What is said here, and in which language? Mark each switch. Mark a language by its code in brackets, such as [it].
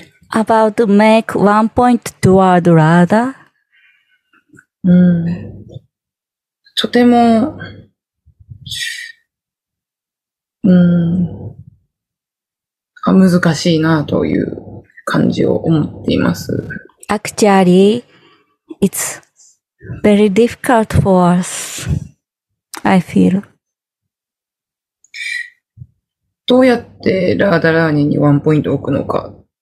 [en] About make one point toward Radha? [ja] とても、難しいなという感じを思っています。 [en] Actually, it's very difficult for us, I feel. [ja] どうやってラーダラーニにワンポイント置くのか。